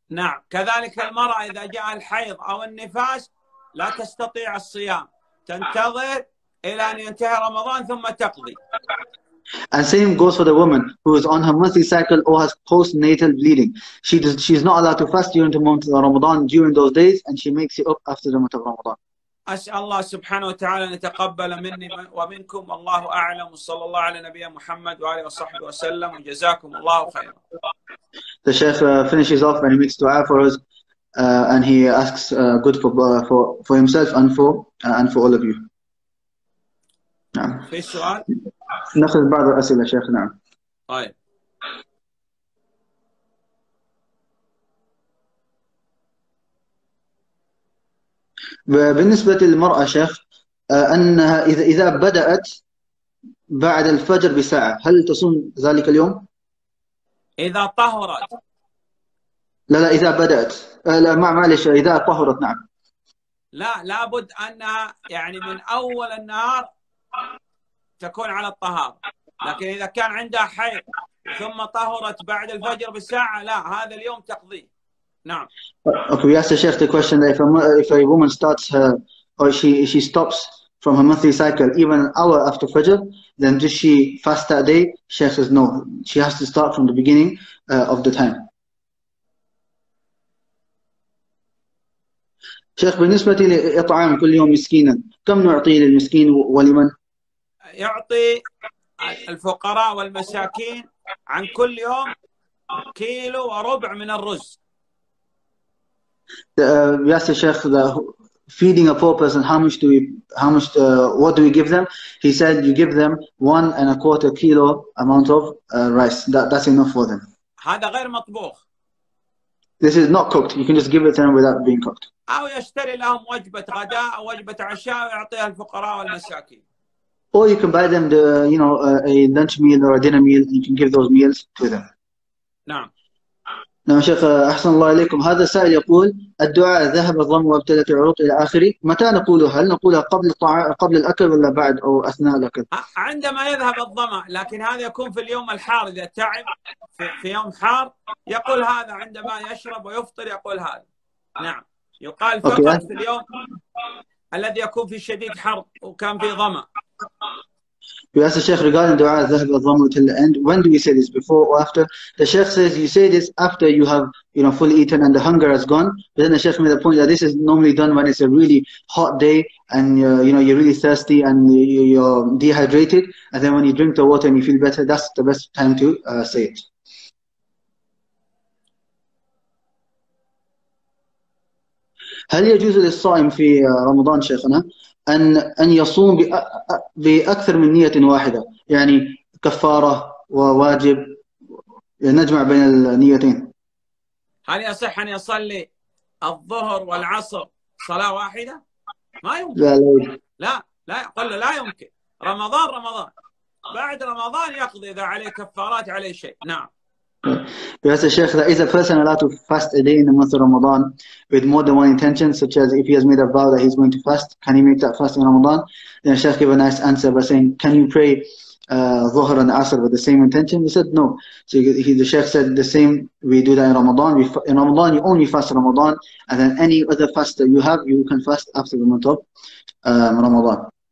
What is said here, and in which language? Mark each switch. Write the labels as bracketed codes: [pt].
[ar] نعم كذلك المرأة إذا جاء الحيض أو النفاس لا تستطيع الصيام تنتظر إلى أن ينتهي رمضان ثم تقضي. [en] And same goes for the woman who is on her monthly cycle or has postnatal bleeding. She is not allowed to fast during the month of Ramadan during those days and she makes it up after the month of Ramadan. [ar] أسأل الله سبحانه وتعالى أن يتقبل مني ومنكم والله أعلم وصلى الله على نبينا محمد وآله وصحبه وسلم وجزاكم الله خيرا. [en] The Sheikh finishes off and he makes dua for us and he asks good for himself and for all of you. [ar] نعم. في سؤال؟ نأخذ بعض الأسئلة شيخ نعم. طيب. بالنسبة للمرأة شيخ أنها إذا بدأت بعد الفجر بساعة هل تصوم ذلك اليوم؟ إذا طهرت لا لا إذا بدأت لا معلش إذا طهرت نعم لا لابد أنها يعني من أول النهار تكون على الطهارة لكن إذا كان عندها حيض ثم طهرت بعد الفجر بساعة لا هذا اليوم تقضيه نعم. [en] Okay, we asked the Sheikh the question that if a woman starts her or she stops from her monthly cycle even an hour after Fajr, then does she fast that day? Sheikh says no. She has to start from the beginning of the time. [ar] Sheikh, بالنسبة لإطعام كل يوم مسكينا كم نعطي للمسكين ولمن؟ يعطي الفقراء والمساكين عن كل يوم كيلو وربع من الرز. [en] We asked the Sheikh, the feeding a poor person, what do we give them? He said, you give them 1.25 kilo amount of rice. That's enough for them. [ar] هذا غير مطبوخ. [en] This is not cooked. You can just give it to them without being cooked. [ar] أو يشتري لهم وجبة غداء أو وجبة عشاء ويعطيها الفقراء والمساكين. [en] Or you can buy them the, you know, a lunch meal or a dinner meal. You can give those meals to them. نعم. [ar] نعم شيخ أحسن الله إليكم هذا السائل يقول الدعاء ذهب الظم وابتلت العروق إلى آخره متى نقوله هل نقولها قبل الأكل ولا بعد أو أثناء الأكل عندما يذهب الظما لكن هذا يكون في اليوم الحار إذا تعب في يوم حار يقول هذا عندما يشرب ويفطر يقول هذا نعم يقال فقط okay. في اليوم الذي يكون في شديد حر وكان في ظما [en] You asked the Sheikh regarding dua Zahab al-Dhamma till the end. When do we say this, before or after? The Sheikh says you say this after you have, you know, fully eaten and the hunger has gone. But then the Sheikh made the point that this is normally done when it's a really hot day and you know you're really thirsty and you're dehydrated. And then when you drink the water and you feel better, that's the best time to say it. [ar] هل يجوز للصائم في رمضان شيخنا؟ أن يصوم بأكثر من نية واحدة يعني كفارة وواجب نجمع بين النيتين هل يصح أن يصلي الظهر والعصر صلاة واحدة؟ ما يمكن لا لا لا لا قل له لا يمكن رمضان بعد رمضان يقضي إذا عليه كفارات عليه شيء نعم [en] Yes, Sheikh, that is a person allowed to fast a day in the month of Ramadan with more than one intention, such as if he has made a vow that he's going to fast, can he make that fast in Ramadan? Then Sheikh gave a nice answer by saying, can you pray Dhuhr and Asr with the same intention? He said, no. So the Sheikh said, the same, we do that in Ramadan. In Ramadan, you only fast Ramadan, and then any other fast that you have, you can fast after the month of Ramadan.